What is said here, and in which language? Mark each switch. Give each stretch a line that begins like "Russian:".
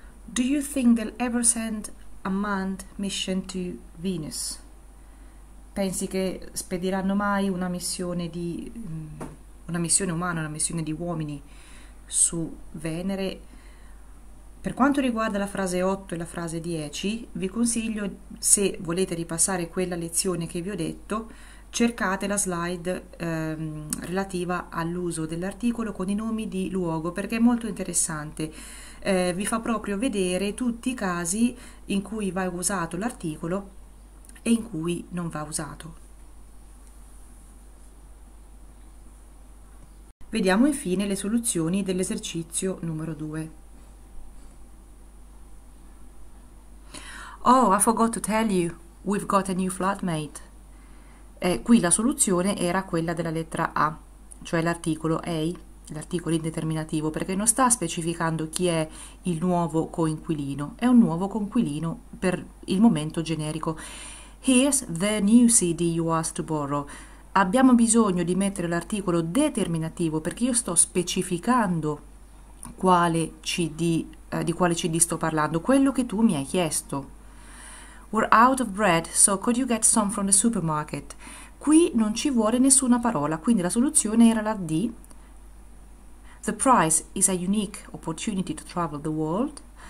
English: Do you think they'll ever send a manned mission to Venus?
Italian: Pensi che spediranno mai una missione di uomini su Venere? Per quanto riguarda la frase 8 e la frase 10, vi consiglio, se volete ripassare quella lezione che vi ho detto, cercate la slide relativa all'uso dell'articolo con i nomi di luogo, perché è molto interessante. Vi fa proprio vedere tutti i casi in cui va usato l'articolo e in cui non va usato. Vediamo infine le soluzioni dell'esercizio numero 2.
English: Oh, I forgot to tell you, we've got a new flatmate.
Italian: Qui la soluzione era quella della lettera A, cioè l'articolo A, l'articolo indeterminativo, perché non sta specificando chi è il nuovo coinquilino, è un nuovo coinquilino per il momento generico.
English: Here's the new CD you asked to borrow.
Italian: Abbiamo bisogno di mettere l'articolo determinativo perché io sto specificando di quale CD sto parlando, quello che tu mi hai chiesto.
English: We're out of bread, so could you get some from the supermarket?
Italian: Qui non ci vuole nessuna parola, quindi la soluzione era la D.
English: The prize is a unique opportunity to travel the world.